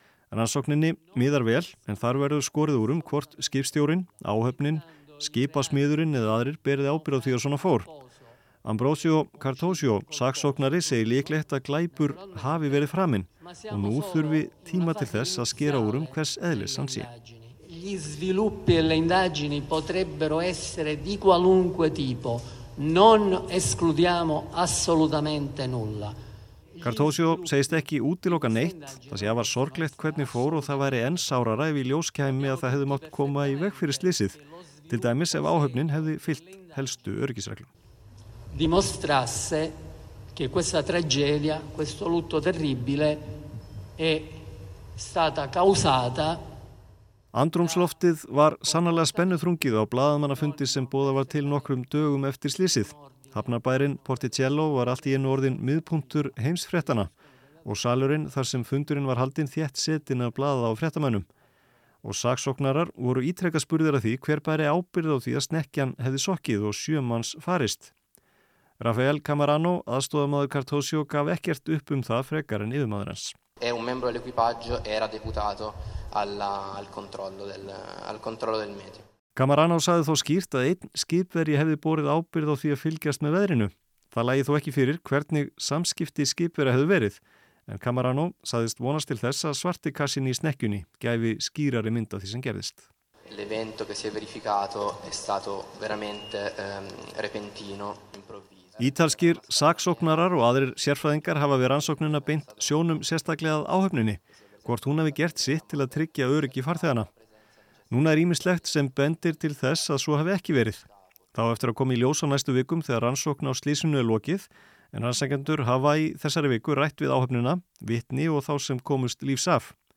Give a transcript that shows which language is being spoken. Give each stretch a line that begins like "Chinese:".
Icelandic: Rannsókninni miðar vel en þar verður skorið úr hvort skipstjórinn, áhöfnin, skipasmiðurinn eða aðrir berði ábyrgð á því að svona fór. Ambrosio Cartosio, saksóknari, segir líklegt að glæpur hafi verið framinn og nú þurfi tíma til þess að skera úr hvers eðlis hann sé.
Italian: Gli sviluppi e le indagini potrebbero essere di qualunque tipo. Non escludiamo assolutamente nulla.
Icelandic: Cartosio segist ekki útiloka neitt, það sé að var sorglegt hvernig fór og það væri enn sárara ef í ljóskæmi að það hefði mátt koma í veg fyrir slysið, til dæmis ef áhöfnin hefði fyllt helstu öryggisreglum.
Italian: Dimostrasse che questa tragedia, questo lutto terribile è stata causata.
Icelandic: Andrúmsloftið var sannarlega spennuþrungið á blaðamannafundi sem boða var til nokkrum dögum eftir slysið. Hafnarbærin Porticello var allt í einu orðin miðpunktur heimsfréttana og salurinn þar sem fundurinn var haldinn þétt setin af blaða á fréttamönnum. Og saksóknarar voru ítreka spurðir að því hver bæri ábyrgð á því að snekkjan hefði sokkið og 7 manns farist. Rafael Camarano, aðstoðamaður Cartosio, gaf ekkert upp það frekar en yfirmaður hans.
Italian: E un membro dell'equipaggio era deputato al controllo del meteo.
Icelandic: Camarano sagði þó skýrt að einn skipverji hefði borið ábyrgð á því að fylgjast með veðrinu. Það lægi þó ekki fyrir hvernig samskipti skipverja hefði verið, en Camarano sagðist vonast til þess að svarti kassin í snekkjunni gæfi skýrari mynd af því sem gerðist.
Italian: L'evento che si è verificato è stato veramente repentino, improvviso.
Icelandic: Ítalskir saksóknarar og aðrir sérfræðingar hafa við rannsóknina beint sjónum sérstaklega að áhöfninni, hvort hún hafi gert sitt til að tryggja öryggi farþeganna. Núna ýmislegt sem bendir til þess að svo hafi ekki verið. Þá eftir að koma í ljós á næstu vikum þegar rannsókn á slysinu lokið, en rannsakendur hafa í þessari viku rætt við áhöfnina, vitni og þá sem komust lífs af.